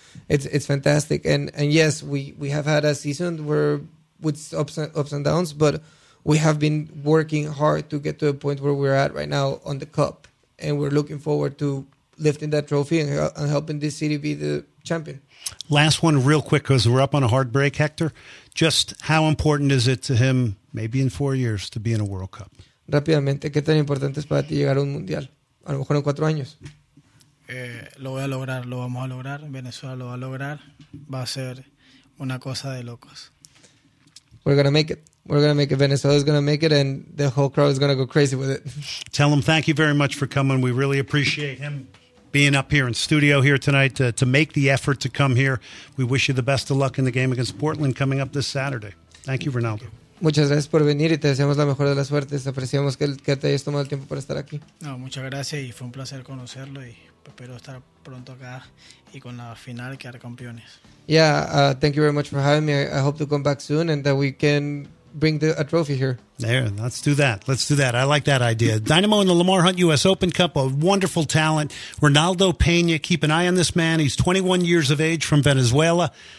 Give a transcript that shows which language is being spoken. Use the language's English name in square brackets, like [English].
[English] It's fantastic. And yes, we have had a season where with ups and downs, but we have been working hard to get to the point where we're at right now on the cup, and we're looking forward to lifting that trophy and helping this city be the champion. Last one real quick, because we're up on a hard break, Hector. Just how important is it to him, maybe in 4 years, to be in a World Cup? [Spanish] Rápidamente, ¿qué tan importante es para ti llegar a un Mundial? A lo mejor en 4 años. Lo voy a lograr, lo vamos a lograr. Venezuela lo va a lograr. Va a ser una cosa de locos. [English] We're going to make it. We're going to make it. Venezuela is going to make it, and the whole crowd is going to go crazy with it. Tell him thank you very much for coming. We really appreciate him being up here in studio here tonight to make the effort to come here. We wish you the best of luck in the game against Portland coming up this Saturday. Thank you, Ronaldo. [Spanish] Muchas gracias por venir y te deseamos la mejor de las suertes. Apreciamos que te hayas tomado el tiempo para estar aquí. No, muchas gracias y fue un placer conocerlo y espero estar pronto acá y con la final quedar campeones. [English] Yeah, thank you very much for having me. I hope to come back soon and that we can bring a trophy here. There, let's do that. Let's do that. I like that idea. Dynamo in the Lamar Hunt U.S. Open Cup, a wonderful talent. Ronaldo Peña, keep an eye on this man. He's 21 years of age from Venezuela.